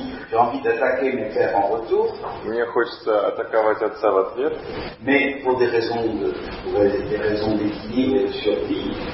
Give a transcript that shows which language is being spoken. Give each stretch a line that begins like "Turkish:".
French: J'ai envie d'attaquer mon père en retour.
Russian: Мне хочется атаковать отца в ответ.
French: Mais pour des raisons d'équilibre et de survie.